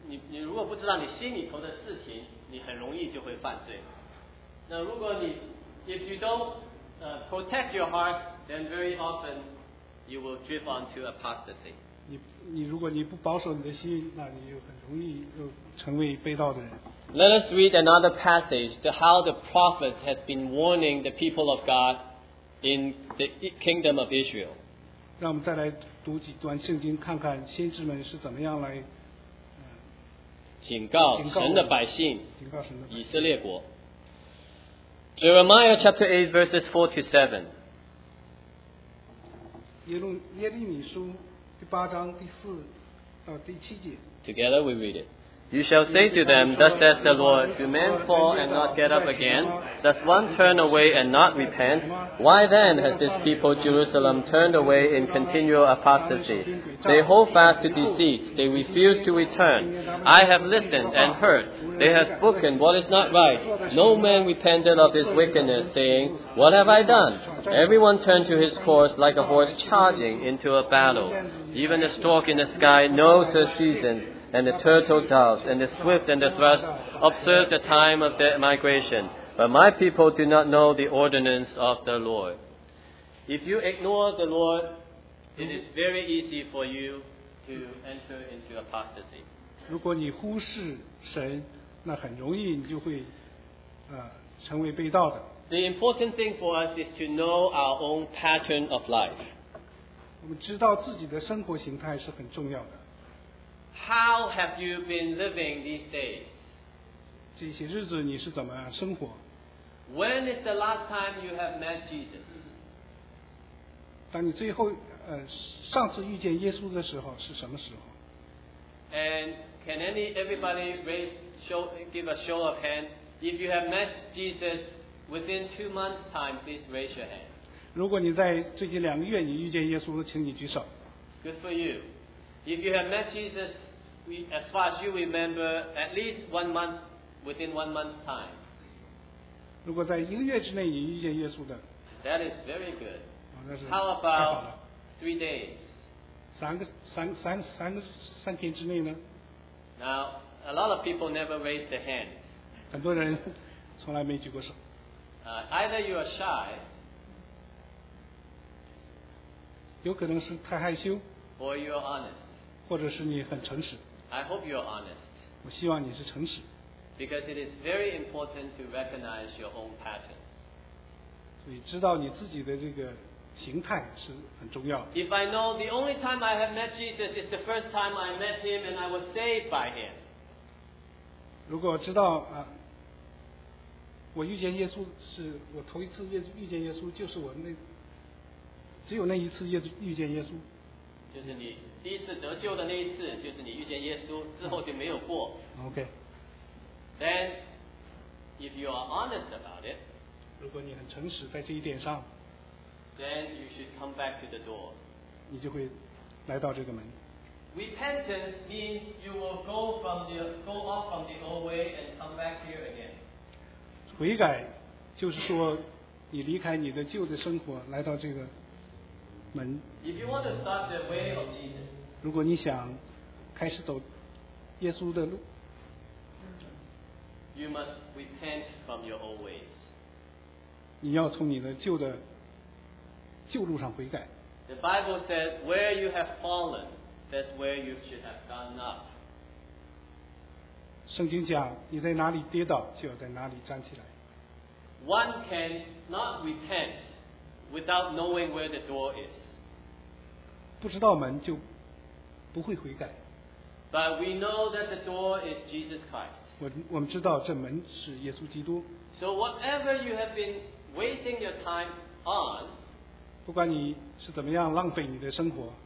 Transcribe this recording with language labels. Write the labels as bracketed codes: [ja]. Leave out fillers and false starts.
[zh] 你如果不知道你心里头的事情，你很容易就会犯罪。那如果你 [en] if you don't protect your heart, then very often you will drift onto apostasy. [zh] 你如果你不保守你的心，那你就很容易就成为被盗的人。 [en] Let us read another passage to how the prophet has been warning the people of God. In the kingdom of Israel. [zh] 让我们再来读几段圣经，看看先知们是怎么样来警告神的百姓以色列国。 [en] Jeremiah chapter 8 verses 4 to 7. [zh] 耶利米书第八章第四到第七节。 [en] Together we read it. You shall say to them, Thus says the Lord, Do men fall and not get up again? Does one turn away and not repent? Why then has this people Jerusalem turned away in continual apostasy? They hold fast to deceit, they refuse to return. I have listened and heard, they have spoken what is not right. No man repented of his wickedness, saying, What have I done? Everyone turned to his course like a horse charging into a battle. Even the stork in the sky knows her season. And the turtle doves, and the swift and the thrush observe the time of their migration. But my people do not know the ordinance of the Lord. If you ignore the Lord, it is very easy for you to enter into apostasy. [zh] 如果你忽视神，那很容易你就会成为被盗的。 [en] The important thing for us is to know our own pattern of life. [zh] 我们知道自己的生活形态是很重要的。 [en] How have you been living these days? [zh] 这些日子你是怎么生活？ [en] When is the last time you have met Jesus? [zh] 当你最后上次遇见耶稣的时候是什么时候？ [en] And can everybody give a show of hand? If you have met Jesus within 2 months time, please raise your hand. [zh] 如果你在最近两个月你遇见耶稣，请你举手。 [en] Good for you. If you have met Jesus,As far as you remember, at least within one month's time. [zh] 如果在一个月之内你遇见耶稣的。 [en] That is very good.、 [zh] 哦、那是 [en] How about 3 days? [zh] 三天之内呢？ [en] Now, a lot of people never raise their hand. [zh] 很多人从来没举过手。 [en] Either you are shy. [zh] 有可能是太害羞。 [en] Or you are honest. [zh] 或者是你很诚实。 [en] I hope you are honest. [zh] 我希望你是诚实。 [en] Because it is very important to recognize your own pattern. [zh] 所以知道你自己的这个形态是很重要的。 [en] If I know the only time I have met Jesus is the first time I met him and I was saved by him. [zh] 如果知道啊。我遇见耶稣是我头一次遇见耶稣就是我那只有那一次遇见耶稣就是你第一次得救的那一次就是你遇见耶稣之后就没有过 [en] OK Then if you are honest about it [zh] 如果你很诚实在这一点上 [en] Then you should come back to the door [zh] 你就会来到这个门 [en] Repentance means you will go off from the old way and come back here again [zh] 悔改就是说你离开你的旧的生活来到这个门 [en] If you want to start the way of Jesus, [zh] 如果你想开始走耶稣的路 [en] you must repent from your old ways. [zh] 你要从你的旧的旧路上悔改 [en] The Bible says where you have fallen that's where you should have gone up [zh] 圣经讲你在哪里跌倒就要在哪里站起来 [en] One cannot repent without knowing where the door is [zh] 不知道门就不会悔改 [en] But we know that the door is Jesus Christ [zh] 我们知道这门是耶稣基督 [en] So whatever you have been wasting your time on [zh] 不管你是怎么样浪费你的生活